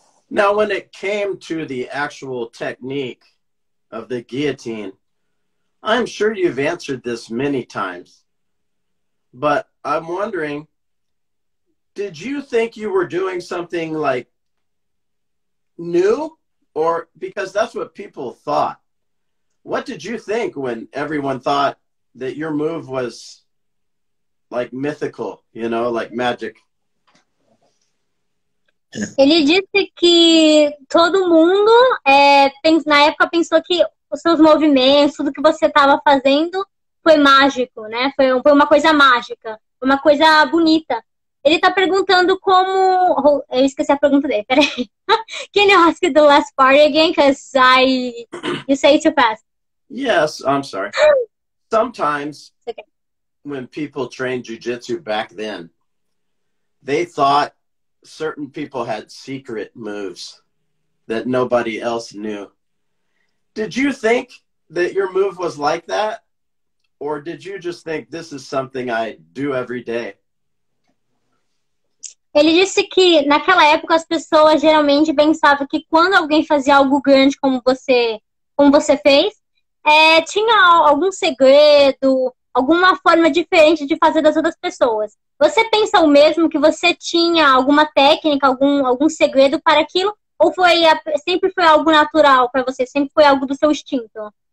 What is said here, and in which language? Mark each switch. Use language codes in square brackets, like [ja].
[en] Now, when it came to the actual technique of the guillotine, I'm sure you've answered this many times, but I'm wondering, did you think you were doing something like new? Or because that's what people thought. What did you think when everyone thought that your move was like mythical, you know, like magic? [pt] Ele disse que todo mundo, na época, pensou que os seus movimentos, tudo que você estava fazendo, foi mágico, né? Foi uma coisa mágica, uma coisa bonita. Ele tá perguntando como... Oh, eu esqueci a pergunta dele, peraí. [en] Can you ask the last part again? Because I... You say it too fast. Yes, I'm sorry. Sometimes, okay, when people trained jiu-jitsu back then, they thought certain people had secret moves that nobody else knew. Did you think that your move was like that? Or did you just think this is something I do every day? [pt] Ele disse que naquela época as pessoas geralmente pensavam que quando alguém fazia algo grande como você fez, tinha algum segredo, alguma forma diferente de fazer das outras pessoas. Você pensa o mesmo, que você tinha alguma técnica, algum segredo para aquilo, ou sempre foi algo natural para você, sempre foi algo do seu instinto?